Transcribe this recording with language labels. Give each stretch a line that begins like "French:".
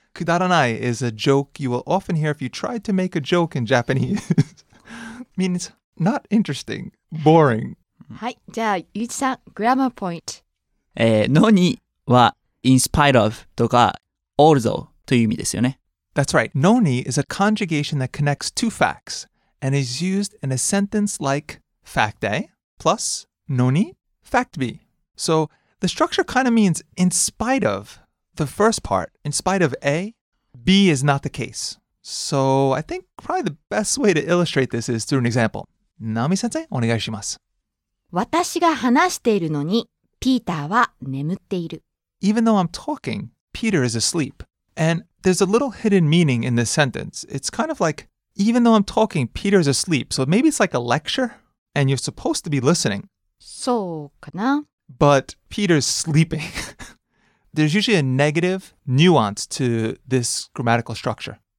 English: くだらない is a joke you will often hear if you try to make a joke in Japanese. Means not interesting, boring.
Japanese: はい、じゃあゆうちさん、グラマーポイント。のには
English: in spite of
Japanese: とか
English: although
Japanese: という意味ですよね。
English: That's right. Noni is a conjugation that connects two facts and is used in a sentence like fact A plus noni fact B. So the structure kind of means in spite of the first part, in spite of A, B is not the case. So I think probably the best way to illustrate this is through an example. Nami-sensei,
Japanese: お願いします。私が話しているのに、ピーターは眠っている。
English: Even though I'm talking, Peter is asleep. And there's a little hidden meaning in this sentence. It's kind of like, even though I'm talking, Peter is asleep. So maybe it's like a lecture, and you're supposed to be listening.
Japanese: そうかな。
English: But Peter's sleeping. There's usually a negative nuance to this grammatical structure.